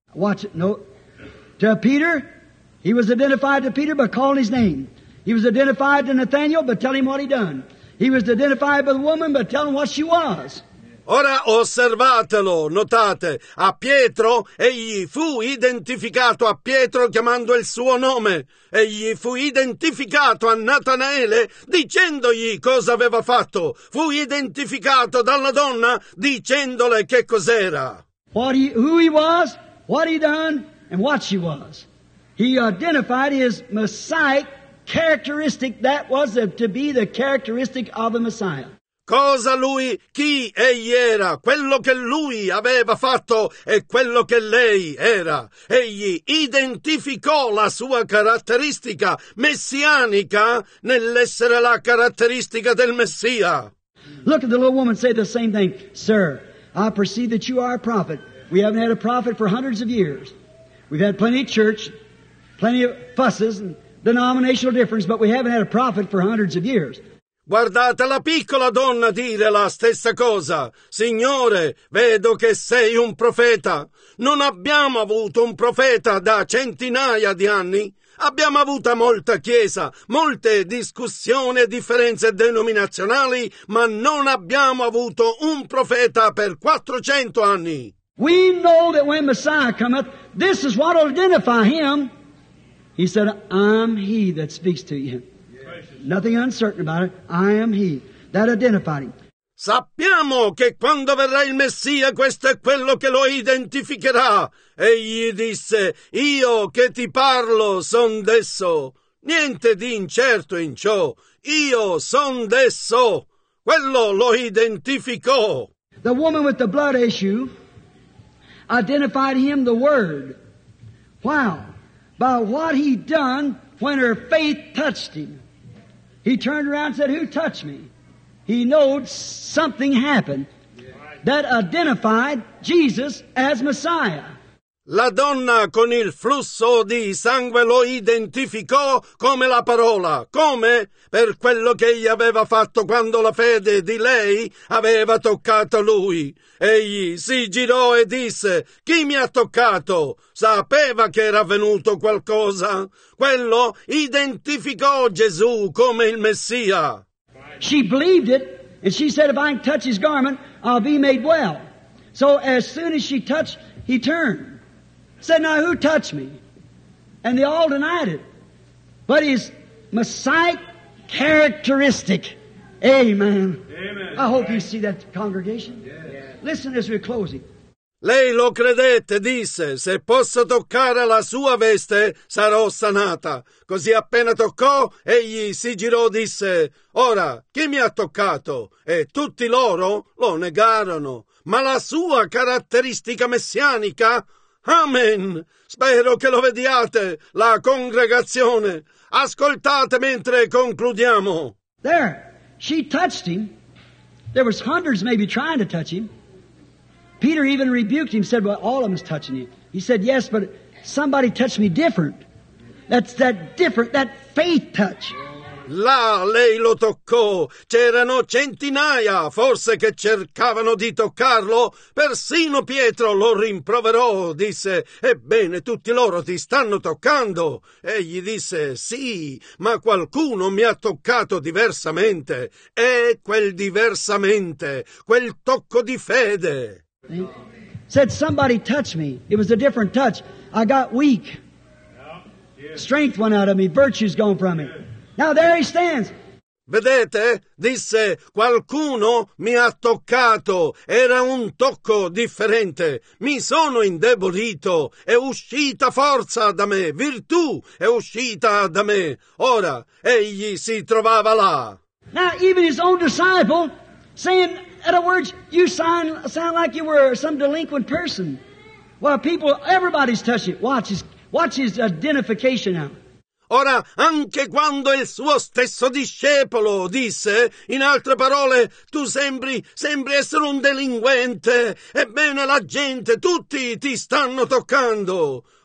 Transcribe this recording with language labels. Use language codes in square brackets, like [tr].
[en] Watch it, note. To Peter, he was identified to Peter by calling his name. He was identified to Nathanael by telling him what he done. He was identified by the woman by telling what she was. [it] Ora osservatelo, notate, a Pietro, egli fu identificato a Pietro chiamando il suo nome. Egli fu identificato a Natanaele dicendogli cosa aveva fatto. Fu identificato dalla donna dicendole che cos'era. [en] Who he was, what he done, and what she was. He identified his Messiah characteristic that was to be the characteristic of the Messiah. [it] Cosa lui, chi egli era, quello che lui aveva fatto e quello che lei era. Egli identificò la sua caratteristica messianica nell'essere la caratteristica del Messia. [en] Look at the little woman say the same thing. Sir, I perceive that you are a prophet. We haven't had a prophet for hundreds of years. We've had plenty of church, plenty of fusses and denominational difference, but we haven't had a prophet for hundreds of years. [it] Guardate la piccola donna dire la stessa cosa. Signore, vedo che sei un profeta. Non abbiamo avuto un profeta da centinaia di anni. Abbiamo avuto molta chiesa, molte discussioni e differenze denominazionali, ma non abbiamo avuto un profeta per 400 anni. [en] We know that when Messiah cometh, this is what will identify him. He said, I'm he that speaks to you. Nothing uncertain about it. I am he. That identified him. [it] Sappiamo che quando verrà il Messia, questo è quello che lo identificherà. Egli disse, io che ti parlo son desso. Niente di incerto in ciò. Io son desso. Quello lo identificò. [en] The woman with the blood issue identified him the word. Wow. By what he done when her faith touched him. He turned around and said, who touched me? He knowed something happened that identified Jesus as Messiah. [it] La donna con il flusso di sangue lo identificò come la parola. Come? Per quello che egli aveva fatto quando la fede di lei aveva toccato lui. Egli si girò e disse, chi mi ha toccato? Sapeva che era avvenuto qualcosa. Quello identificò Gesù come il Messia. [en] She believed it, and she said, if I can touch his garment, I'll be made well. So as soon as she touched, he turned. Said, now who touched me? And they all denied it. But his Messiah characteristic. Amen. Amen. I hope you see that congregation. Yes. Listen as we're closing. [it] Lei lo credette, disse, se posso toccare la sua veste, sarò sanata. Così appena toccò, egli si girò, disse, ora, chi mi ha toccato? E tutti loro lo negarono. Ma la sua caratteristica messianica? Amen! Spero che lo vediate, la congregazione. Ascoltate mentre concludiamo. [en] There, she touched him. There was hundreds maybe trying to touch him. Peter even rebuked him, said, well, all of them's touching you. He said, yes, but somebody touched me different. That's that different, that faith touch. [it] Là lei lo toccò. C'erano centinaia, forse, che cercavano di toccarlo. Persino Pietro lo rimproverò, disse, ebbene, tutti loro ti stanno toccando. Egli disse, sì, ma qualcuno mi ha toccato diversamente. E quel diversamente, quel tocco di fede. [en] Said somebody touched me. It was a different touch. I got weak. Strength went out of me. Virtue's gone from me. Now there he stands. [it] Vedete? Disse, qualcuno mi ha toccato. Era un tocco differente. Mi sono indebolito. È uscita forza da me. Virtù è uscita da me. Ora, egli si trovava là. [en] Now even his own disciple saying, in other words, you sound like you were some delinquent person. Well, people, everybody's touching. Watch his identification now. [it] Ora, anche quando il suo stesso discepolo disse, in altre parole, tu sembri essere un delinquente, ebbene la gente, tutti ti stanno toccando.